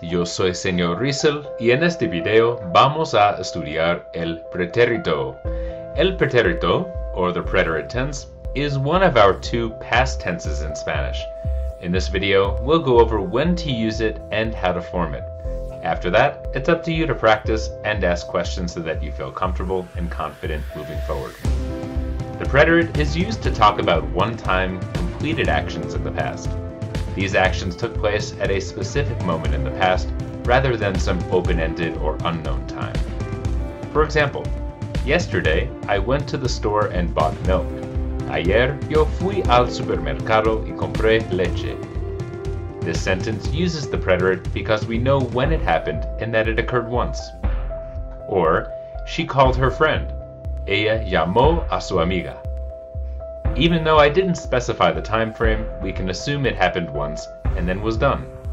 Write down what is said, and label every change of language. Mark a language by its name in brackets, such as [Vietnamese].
[Spanish] Yo soy señor Riesel y en este video vamos a estudiar el pretérito. [English] El pretérito, or the preterite tense, is one of our two past tenses in Spanish. In this video, we'll go over when to use it and how to form it. After that, it's up to you to practice and ask questions so that you feel comfortable and confident moving forward. The preterite is used to talk about one-time completed actions in the past. These actions took place at a specific moment in the past, rather than some open-ended or unknown time. For example, yesterday I went to the store and bought milk. [Spanish] Ayer yo fui al supermercado y compré leche. [English] This sentence uses the preterite because we know when it happened and that it occurred once. Or, she called her friend. [Spanish] Ella llamó a su amiga. [English] Even though I didn't specify the time frame, we can assume it happened once and then was done.